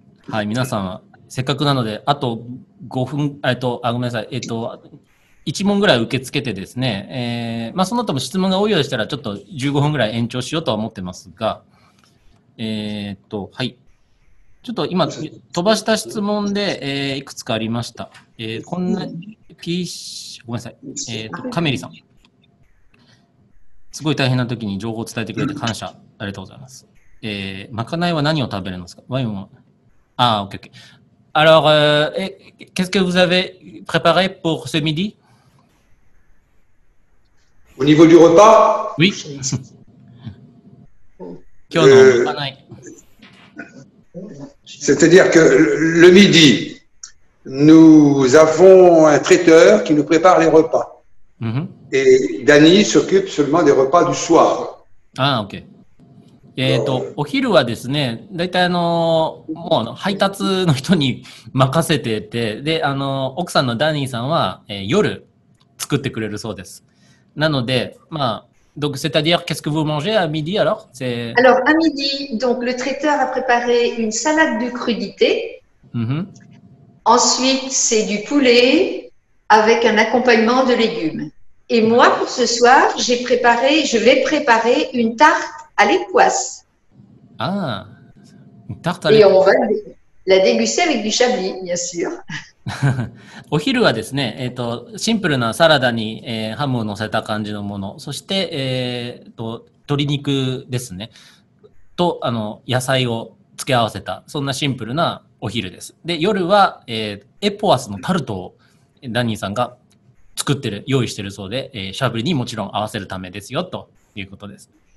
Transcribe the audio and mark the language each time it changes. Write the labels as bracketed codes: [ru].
[ja] はい、皆さんはせっかくなので、あと5分ごめんなさい、1問ぐらい受け付けてですね、まあ、その後も質問が多いようでしたらちょっと15分ぐらい延長しようとは思ってますが、はい、ちょっと今飛ばした質問で、いくつかありました。こんな PC、ごめんなさい。カメリさん、すごい大変な時に情報を伝えてくれて感謝、ありがとうございます。まかないは何を食べるんですか？ワインは、ああ、OK OK。 [fr] Alors, qu'est-ce que vous avez préparé pour ce midi？ Au niveau du repas？ Oui。 [ja] 今日のまかない。 [fr] C'est-à-dire que le midi, nous avons un traiteur qui nous prépare les repas. Mm-hmm. Et Dani s'occupe seulement des repas du soir. Ah, ok. [ja] Au 昼はですね、大体もう配達の人に任せてて、で、奥さんのダニーさんは、夜作ってくれるそうです。なので、まあ、 [fr] Donc, c'est-à-dire, qu'est-ce que vous mangez à midi alors? C'est... Alors, à midi, donc, le traiteur a préparé une salade de crudités. Mm-hmm. Ensuite, c'est du poulet avec un accompagnement de légumes. Et moi, pour ce soir, je vais préparer une tarte à l'époisse. Ah, une tarte à l'époisse. Et on va la déguster avec du chablis, bien sûr. [ja] お昼はですね、シンプルなサラダに、ハムを乗せた感じのもの、そして、鶏肉ですね、と野菜を付け合わせた、そんなシンプルなお昼です。で、夜は、エポワスのタルトをダニーさんが作ってる、用意してるそうで、シャブリにもちろん合わせるためですよということです。